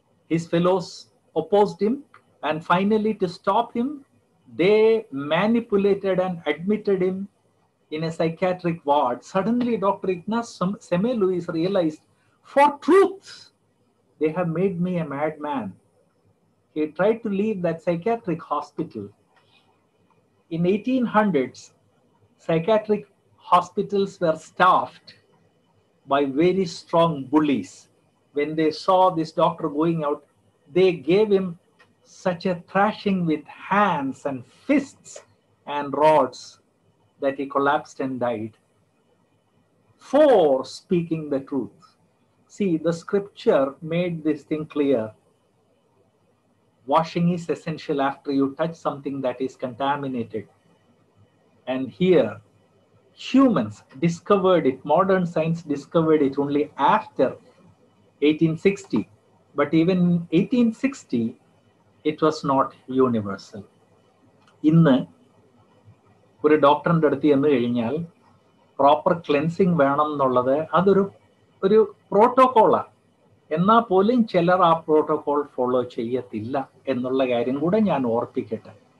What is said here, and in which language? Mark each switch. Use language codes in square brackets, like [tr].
[en] His fellows opposed him and finally to stop him they manipulated and admitted him in a psychiatric ward. Suddenly doctor Ignaz Semmelweis realized for truth they have made me a mad man. He tried to leave that psychiatric hospital. In 1800s, psychiatric hospitals were staffed by very strong bullies. When they saw this doctor going out, they gave him such a thrashing with hands and fists and rods that he collapsed and died for speaking the truth. See, the scripture made this thing clear. Washing is essential after you touch something that is contaminated. And here, humans discovered it. Modern science discovered it only after 1860. But even in 1860, it was not universal. [ml] ഇന്ന് ഒരു ഡോക്ടറിൻ്റെ അടുത്ത് ചെന്ന് കഴിഞ്ഞാൽ [en] proper cleansing [ml] വേണം എന്നുള്ളത് അതൊരു ഒരു പ്രോട്ടോക്കോളാണ്. എന്നാൽ പോലും ചിലർ ആ പ്രോട്ടോകോൾ ഫോളോ ചെയ്യത്തില്ല എന്നുള്ള കാര്യം കൂടെ ഞാൻ ഓർപ്പിക്കട്ടെ.